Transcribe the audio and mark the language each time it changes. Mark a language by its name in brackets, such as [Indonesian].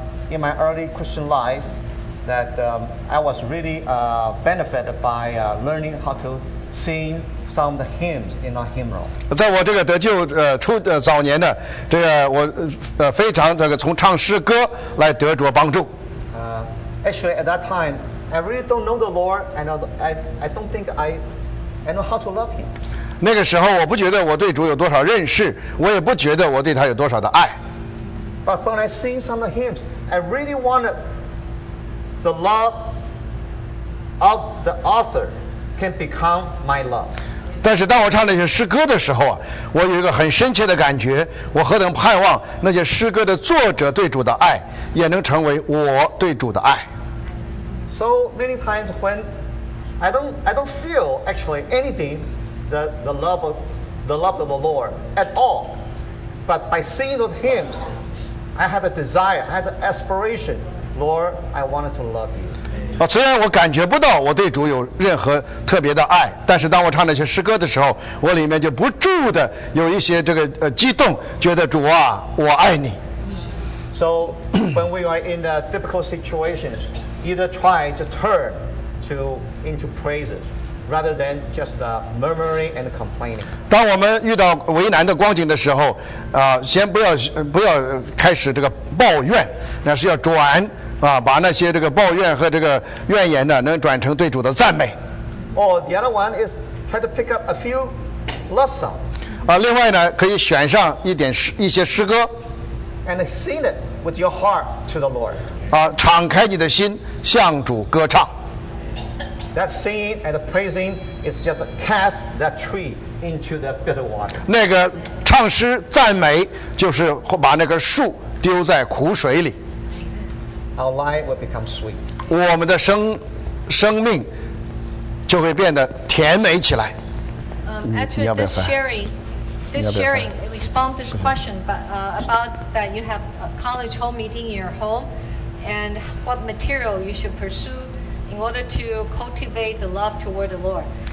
[English] In my early Christian life, that I was really benefited by learning how to sing some of the hymns in our hymnal. [Chinese] 在我这个得救初早年呢，这个我非常这个从唱诗歌来得着帮助。 [English] Actually, at that time, I really don't know the Lord, and I don't think I know how to love Him. [Chinese] 那个时候，我不觉得我对主有多少认识，我也不觉得我对他有多少的爱。 [English] But when I sing some of the hymns, I really wanted the love of the author can become my love. [Chinese] 但是当我唱那些诗歌的时候啊，我有一个很深切的感觉，我何等盼望那些诗歌的作者对主的爱也能成为我对主的爱。 [English] So many times when I don't feel actually anything that the love of the Lord at all, but by singing those hymns, I have a desire, I have an aspiration, Lord, I wanted to love you. [Chinese] 虽然我感觉不到我对主有任何特别的爱，但是当我唱那些诗歌的时候，我里面就不住的有一些这个激动，觉得主啊，我爱你。 [English] So when we are in the difficult situations, either try to turn to into praises rather than just murmuring and complaining. [Chinese] 当我们遇到为难的光景的时候，先不要开始这个抱怨，那是要转。把那些这个抱怨和这个怨言呢，能转成对主的赞美。 [English] Oh, the other one is try to pick up a few love songs. [Chinese] 另外呢，可以选上一些诗歌。 [English] And sing it with your heart to the Lord. [Chinese] 敞开你的心向主歌唱。 [English] That singing and praising is just cast that tree into the bitter water. [Chinese] 那个唱诗赞美就是把那个树丢在苦水里。 [English] Our life will become sweet. [Chinese] 我们的生命就会变得甜美起来。 [English] Actually, this sharing responds to this question, about that you have a college home meeting in your home, and what material you should pursue in order to cultivate the love toward the Lord.